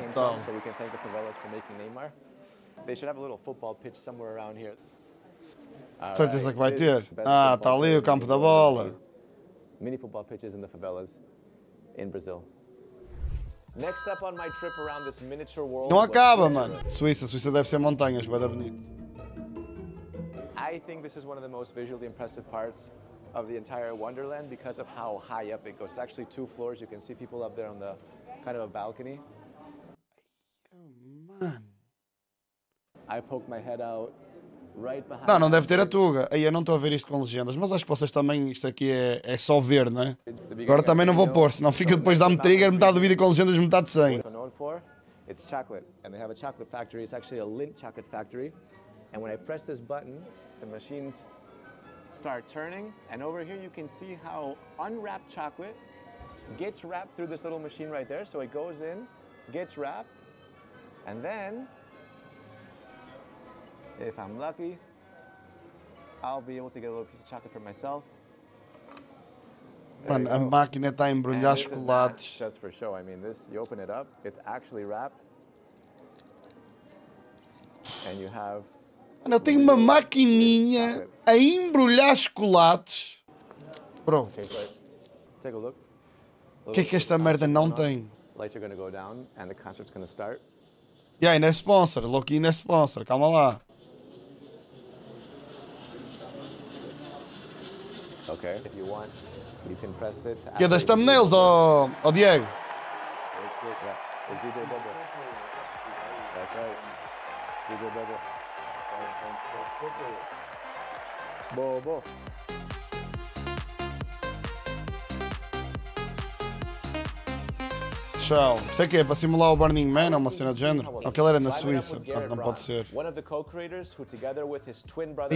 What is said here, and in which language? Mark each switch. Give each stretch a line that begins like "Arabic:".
English: Came from, so we can thank the favelas for making Neymar. They should have a little football pitch somewhere around here.
Portuguese: Certeza right. Que vai ter. Ah, tá ali o campo da bola.
English: Mini football pitches in the favelas in Brazil. Next up on my trip around this miniature world.
Portuguese: Não acaba, mano. Suíça, Suíça deve ser montanhas, vai dar bonito.
English: I think this is one of the most visually impressive parts of the entire Wonderland because of how high up it goes. It's actually two floors. You can see people up there on the kind of a balcony. Oh, man. I poke my head out right behind.
Portuguese: Não, não deve ter a tuga. Aí eu não estou a ver isto com legendas, mas acho que vocês também isto aqui é só ver, né? Agora também não vou pôr, senão fica depois dá-me trigger metade do vídeo com legendas, metade sem.
English: It's chocolate and they have a chocolate factory. It's actually a Lindt chocolate factory. And when I press this button, the machines start turning, and over here you can see how unwrapped chocolate gets wrapped through this little machine right there. So it goes in, gets wrapped, and then, if I'm lucky, I'll be able to get a little piece of chocolate for myself.
Portuguese: Mano, a máquina está a embrulhar chocolates.
English: Just for show, I mean, this, you open it up, it's actually wrapped, and you have.
Portuguese: Mano, eu tenho uma maquininha a embrulhar chocolates.
English: Bro. Take a look.
Portuguese: O que é que esta merda não tem?
English: Lights are gonna go down and the concert's gonna start.
Portuguese: Yeah, ainda é sponsor. Loki ainda é sponsor. Calma lá.
English: Ok. If you want, you can press it.
Portuguese: Que é das thumbnails, ó Diego?
English: É DJ Bobo. That's right. DJ Bobo. Bobo.
Portuguese: Tchau. Isto é que é para simular o Burning Man, é uma cena de género. Aquela era na Suíça, portanto não pode ser.
English: One of the co-creators who together with his twin brother.